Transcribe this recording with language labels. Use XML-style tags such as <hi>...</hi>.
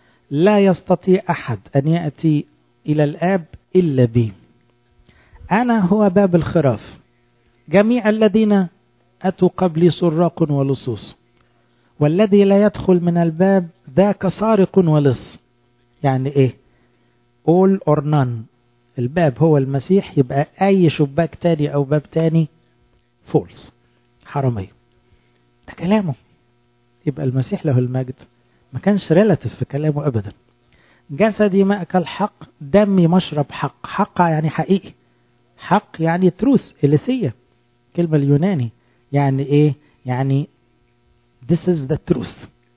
<ar>لا يستطيع احد ان ياتي الى الاب إلا بي. أنا هو باب الخراف، جميع الذين أتوا قبلي سراق ولصوص، والذي لا يدخل من الباب ذاك سارق ولص. يعني إيه؟</ar> <en>all or none.</en> <ar>الباب هو المسيح، يبقى أي شباك تاني أو باب تاني false، حرامي. ده كلامه. يبقى المسيح له المجد، ما كانش relative في كلامه أبدا. جسدي مأكل حق، دمي مشرب حق. حق يعني حقيقي، حق يعني تروث، إليثية كلمة اليوناني، يعني إيه؟ يعني</ar> <en>this is the truth،</en>